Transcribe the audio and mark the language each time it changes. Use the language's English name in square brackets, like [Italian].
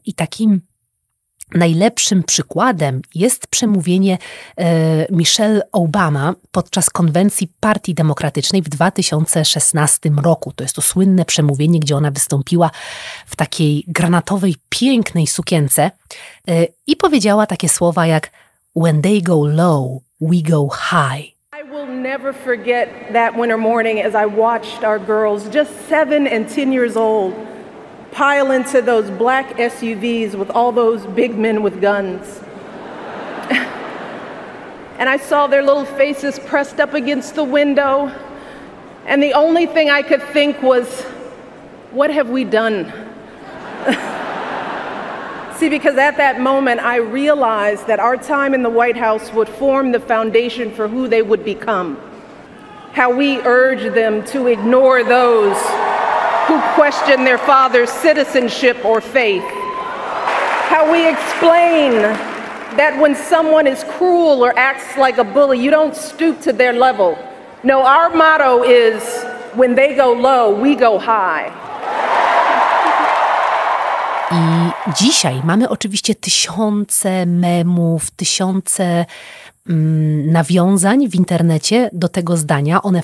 [Polish] I takim najlepszym przykładem jest przemówienie Michelle Obama podczas konwencji Partii Demokratycznej w 2016 roku. To jest to słynne przemówienie, gdzie ona wystąpiła w takiej granatowej, pięknej sukience i powiedziała takie słowa jak [English] "When they go low, we go high." I will never forget that winter morning as I watched our girls, just 7 and 10 years old, pile into those black SUVs with all those big men with guns. And I saw their little faces pressed up against the window. And the only thing I could think was, what have we done? See, because at that moment, I realized that our time in the White House would form the foundation for who they would become. How we urge them to ignore those who question their father's citizenship or faith. How we explain that when someone is cruel or acts like a bully, you don't stoop to their level. No, our motto is, when they go low, we go high. [Polish] I dzisiaj mamy oczywiście tysiące memów, tysiące nawiązań w internecie do tego zdania.